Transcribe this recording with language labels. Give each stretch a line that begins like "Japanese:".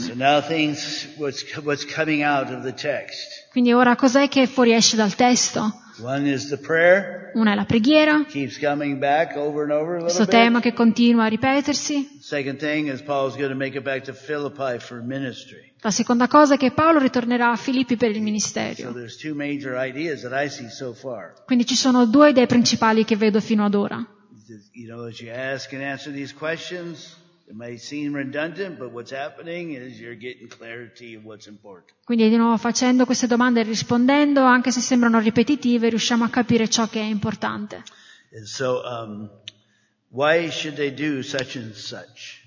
English: So now things what's coming out of the text.
Italian: Quindi ora cos'è che fuoriesce dal testo?
English: One is the prayer.
Italian: Una è la preghiera.
English: Keeps coming back over and over a little
Italian: bit. Questo tema che continua a ripetersi.
English: Second thing is Paul's going to make it back to Philippi for ministry.
Italian: La seconda cosa è che Paolo ritornerà a Filippi per il ministerio.
English: So there's two major ideas that I see so far.
Italian: Quindi ci sono due idee principali che vedo fino ad ora.
English: You know, as you ask and answer these questions, it may seem redundant, but what's happening is you're getting clarity of what's important.
Italian: Quindi di nuovo facendo queste domande e rispondendo, anche se sembrano ripetitive, riusciamo a capire ciò che è importante.
English: And so, why should they do such and such?